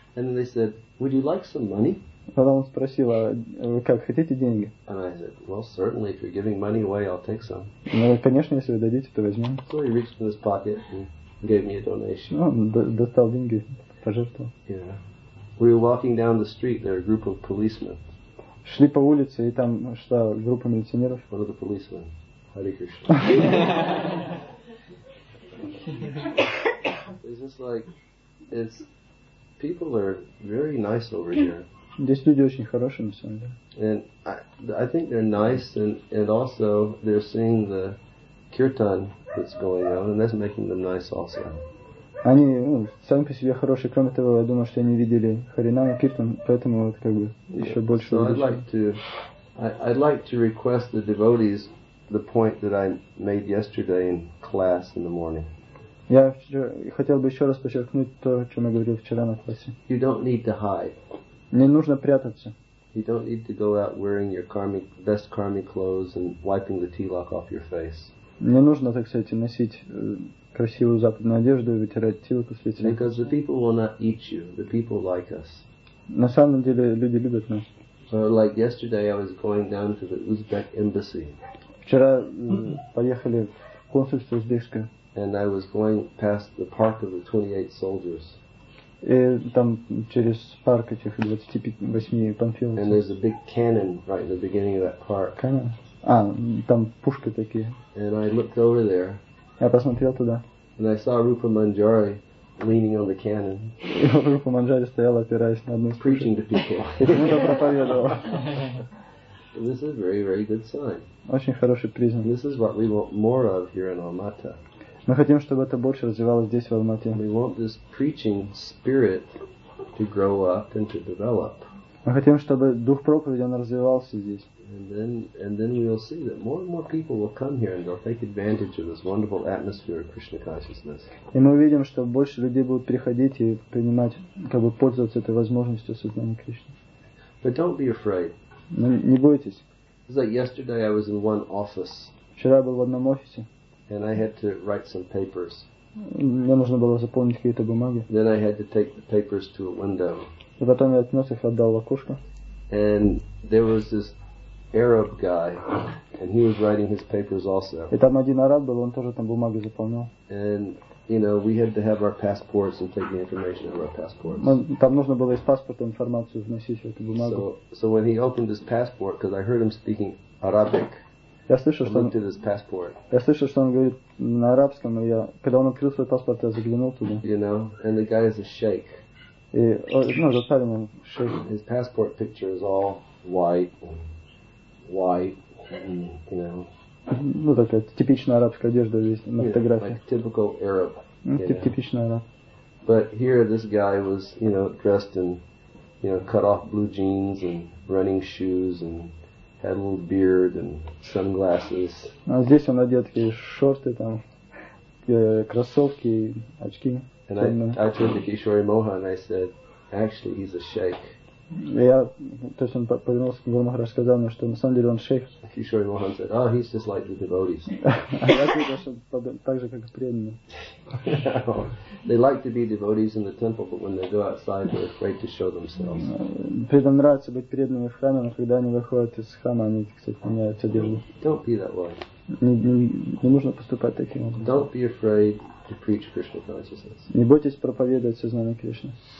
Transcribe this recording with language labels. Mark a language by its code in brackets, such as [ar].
[en] And then they said, would you like some money? [ru] Потом он спросил, а вы как, хотите деньги? [en] And I said, well, certainly, if you're giving money away, I'll take some. [ru] Ну, конечно, если вы дадите, то возьмем. [en] So he reached in his pocket and gave me a donation. [ru] Ну, достал деньги, пожертвовал. [en] Yeah. We were walking down the street, there were a group of policemen. [ru] Шли по улице, и там шла группа милиционеров. [en] One of the policemen. Hare Krishna. It's just like, it's, people are very nice over here. [ru] Здесь люди очень хорошие, на самом деле. [en] And I think they're nice, and also they're seeing the kirtan that's going on, and that's making them nice also. [ru] Они, ну, сами по себе хорошие. Кроме того, я думаю, что они видели харинам и киртан, поэтому вот как бы еще yeah. больше. [en] So I'd like to request the devotees the point that I made yesterday in class in the morning. [ru] Я хотел бы еще раз подчеркнуть то, о чем я говорил вчера на классе. [en] You don't need to hide. [ru] Не нужно прятаться. [en] You don't need to go out wearing your karmic, best karmic clothes and wiping the tilak off your face. [ru] Не нужно, так сказать, носить красивую западную одежду и вытирать тилак с лица. [en] Because the people will not eat you. The people like us. [ru] На самом деле люди любят нас. [en] So like yesterday, I was going down to the Uzbek embassy. [ru] Вчера поехали в консульство узбекское. [en] And I was going past the park of the 28 soldiers. [ru] И там через парк этих 28 панфиловцев. [en] And there's a big cannon right in the beginning of that park. [ru] Cannon. А, там пушки такие. [en] And I looked over there. [ru] Я посмотрел туда. [en] And I saw Rupa Manjari leaning on the cannon. [ru] Рупа Манджари стоял, опираясь на одну из пушек. [en] Preaching to people. [ru] Это проповедовал. [en] This is a very, very good sign. [ru] Очень хороший признак. [en] This is what we want more of here in Almaty. [ru] Мы хотим, чтобы это больше развивалось здесь, в Алмате. [en] We want this preaching spirit to grow up and to develop. [ru] Мы хотим, чтобы дух проповеди он развивался здесь. [en] And then we'll see that more and more people will come here and they'll take advantage of this wonderful atmosphere of Krishna consciousness. [ru] И мы увидим, что больше людей будут приходить и принимать, как бы пользоваться этой возможностью сознания Кришны. [en] But don't be afraid. [ru] Не бойтесь. [en] It's like yesterday I was in one office. [ru] Вчера я был в одном офисе. [en] And I had to write some papers. [ru] Мне нужно было заполнить какие-то бумаги. [en] Then I had to take the papers to a window. [ru] И потом я отнес их, отдал в окошко. [en] And there was this Arab guy, and he was writing his papers also. [ru] И там один араб был, он тоже там бумаги заполнял. [en] And you know, we had to have our passports and take the information of our passports. [ru] Там нужно было из паспорта информацию вносить в эту бумагу. [en] So when he opened his passport, because I heard him speaking Arabic. [ru] Я слышал, что он говорит на арабском, и я, когда он открыл свой паспорт, я заглянул туда. [en] You know, and the guy is a sheik. [ru] И, ну, этот парень, он шейк. [en] His passport picture is all white, and, you know. [ru] Ну, такая типичная арабская одежда здесь на фотографии. [en] Like typical Arab. [ru] Типичная араб. [en] But here this guy was, you know, dressed in, you know, cut off blue jeans and running shoes and had a little beard and sunglasses. [ru] А здесь он одет такие шорты, там, кроссовки, очки. [en] And I turned to Kishori Mohan and I said, actually, he's a sheik. [ru] Я, то есть он повернулся к Гуру Махарадж, сказал мне, что на самом деле он шейх. [en] Kishori Mohan said, oh, he's just like the devotees. [ru] А я ответил, что так же, как и преданные. [en] They like to be devotees in the temple, but when they go outside, they're afraid to show themselves. [ru] Преданным нравится быть преданными в храме, но когда они выходят из храма, они, кстати, меняют одежду. [en] Don't be that way. [ru] Не нужно поступать таким образом. [en] Don't be afraid to preach Krishna consciousness. [ru] Не бойтесь проповедовать сознание Кришны.